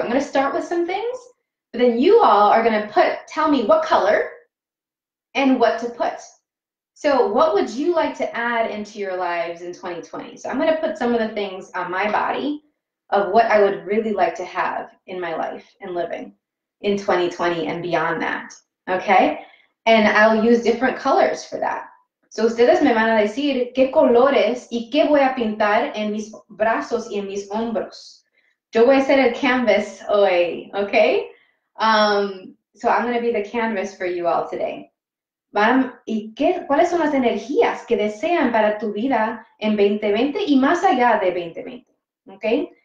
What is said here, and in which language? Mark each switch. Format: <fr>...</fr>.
<en>I'm gonna start with some things, but then you all are gonna tell me what color and what to put. So what would you like to add into your lives in 2020? So I'm gonna put some of the things on my body of what I would really like to have in my life and living in 2020 and beyond that, okay? And I'll use different colors for that.</en> <es>So ustedes me van a decir qué colores y qué voy a pintar en mis brazos y en mis hombros. Yo voy a ser el canvas hoy, okay?</es> <en>So I'm going to be the canvas for you all today.</en> <es>¿Y qué, cuáles son las energías que desean para tu vida en 2020 y más allá de 2020, okay?</es>